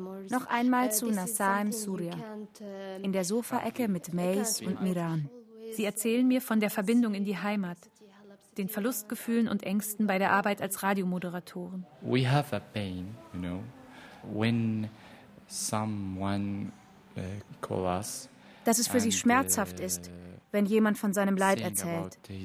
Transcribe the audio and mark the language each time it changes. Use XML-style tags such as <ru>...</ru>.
<de>Noch einmal zu Nassim Surya, in der Sofaecke mit Mays und Miran. Sie erzählen mir von der Verbindung in die Heimat, den Verlustgefühlen und Ängsten bei der Arbeit als Radiomoderatoren.</de> <en>We have a pain, you know, when someone call us.</en> <de>Dass es für sie schmerzhaft ist, wenn jemand von seinem Leid erzählt.</de>